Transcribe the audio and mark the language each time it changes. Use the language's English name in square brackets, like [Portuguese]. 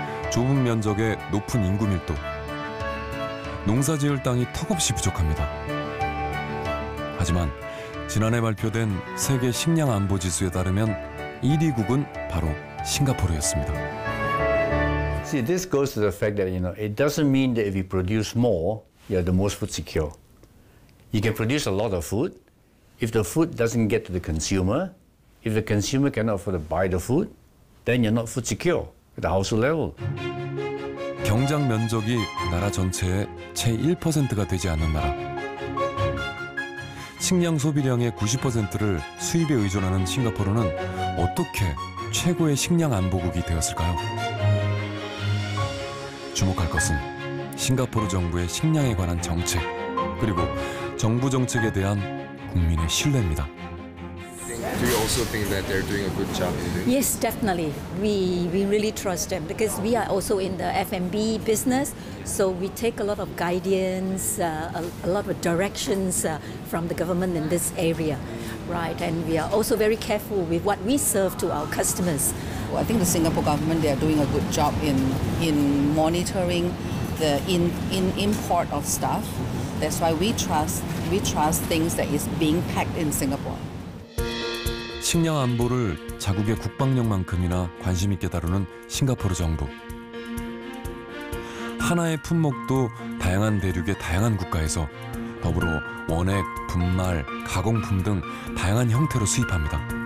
[Korean] 좁은 면적에 높은 인구 밀도, 농사지을 땅이 턱없이 부족합니다. 하지만 지난해 발표된 세계 식량 안보 지수에 따르면 1위국은 바로 싱가포르였습니다. [English] See, this goes to the fact that, you know, it doesn't mean that if you produce more, you're the most food secure. You can produce a lot of food. If the food doesn't get to the consumer, if the consumer cannot afford to buy the food, then you're not food secure at the household level. [Korean] 경작 면적이 나라 전체의 채 1%가 되지 않는 나라. 식량 소비량의 90%를 수입에 의존하는 싱가포르는 어떻게 최고의 식량 안보국이 되었을까요? 주목할 것은 싱가포르 정부의 식량에 관한 정책, 그리고 정부 정책에 대한 국민의 신뢰입니다. [English] Do you also think that they're doing a good job? Yes, definitely. We really trust them because we are also in the F&B business. So we take a lot of guidance, a lot of directions from the government in this area. Right, and we are also very careful with what we serve to our customers. Well, I think the Singapore government, they are doing a good job in monitoring the in import of stuff. That's why we trust things that is being packed in Singapore. [Korean] 식량 안보를 자국의 국방력만큼이나 관심 있게 다루는 싱가포르 정부. 하나의 품목도 다양한 대륙의 다양한 국가에서 더불어 원액, 분말, 가공품 등 다양한 형태로 수입합니다.